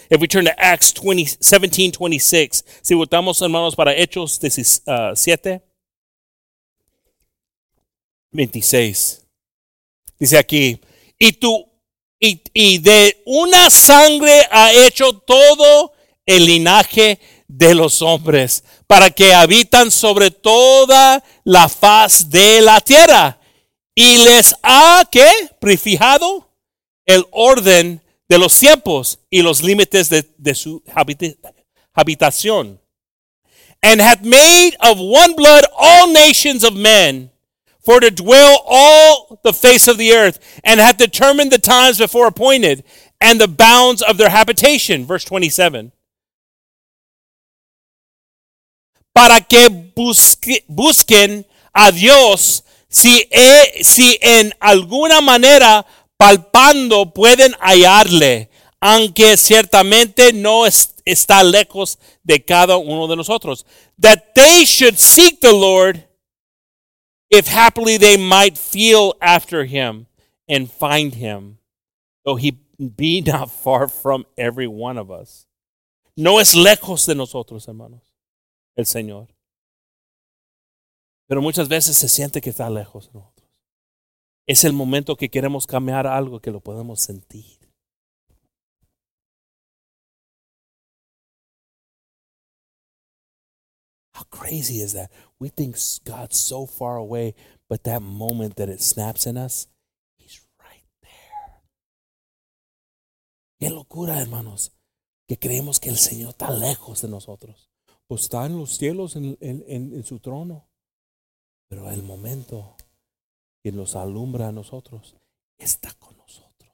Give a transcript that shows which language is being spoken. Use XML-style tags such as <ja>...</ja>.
<es>If we turn to Acts 17:26, si voltamos, hermanos, para Hechos 7:26, dice aquí, y de una sangre ha hecho todo el linaje de los hombres para que habitan sobre toda la faz de la tierra. Y les ha, ¿qué? Prefijado el orden de los tiempos y los límites de su habitación.</es> <en>And hath made of one blood all nations of men for to dwell all the face of the earth, and hath determined the times before appointed and the bounds of their habitation. Verse 27.</en> <es>Para que busquen a Dios si en alguna manera palpando pueden hallarle, aunque ciertamente no está lejos de cada uno de nosotros.</es> <en>That they should seek the Lord, if happily they might feel after him and find him, though he be not far from every one of us.</en> <es>No es lejos de nosotros, hermanos, el Señor. Pero muchas veces se siente que está lejos de nosotros. Es el momento que queremos cambiar algo que lo podemos sentir.</es> <en>How crazy is that? We think God's so far away, but that moment that it snaps in us, he's right there.</en> <es>Qué locura, hermanos, que creemos que el Señor está lejos de nosotros. Pues está en los cielos, en su trono. Pero el momento que nos alumbra a nosotros, está con nosotros.</es>